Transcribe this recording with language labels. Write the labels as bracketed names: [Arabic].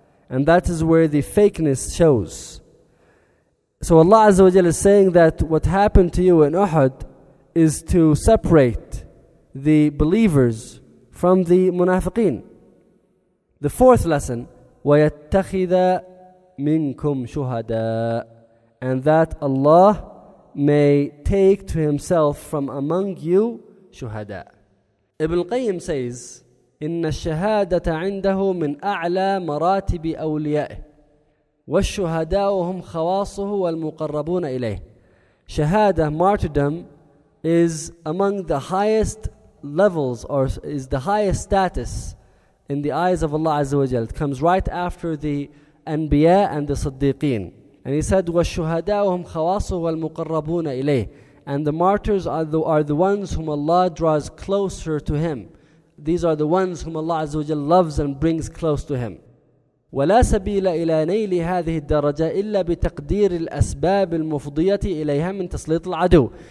[English] And that is where the fakeness shows. So Allah Azza wa Jalla is saying that what happened to you in Uhud is to separate the believers from the munafiqeen. The fourth lesson, [Arabic] وَيَتَّخِذَ مِنْكُمْ شُهَدَاءَ, [English] and that Allah may take to Himself from among you shuhada. Ibn al-Qayyim says, [Arabic] إن الشهادة عنده من أعلى مراتب أوليائه والشهداء هم خواصه والمقربون إليه. [English] شهادة, martyrdom, is among the highest levels, or is the highest status in the eyes of Allah Azza wa Jalla. It comes right after the Anbiya and the Siddiqeen. And he said, [Arabic] والشهداء هم خواصه والمقربون إليه. [English] And the martyrs are the ones whom Allah draws closer to Him. These are the ones whom Allah Azza wa Jalla loves and brings close to Him. [Arabic] وَلَا سَبِيلَ إِلَى نَيْلِ هَذِهِ الدَّرَجَةِ إِلَّا بِتَقْدِيرِ الْأَسْبَابِ الْمُفْضِيَةِ إِلَيْهَا مِنْ تَسْلِيطِ الْعَدُوِ.